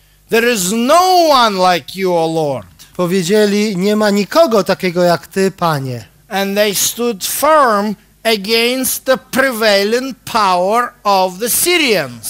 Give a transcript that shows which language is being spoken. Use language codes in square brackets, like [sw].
[en] there is no one like you, O Lord. [pl] Powiedzieli, nie ma nikogo takiego jak Ty, Panie. [en] And they stood firm against the prevailing power of the Syrians.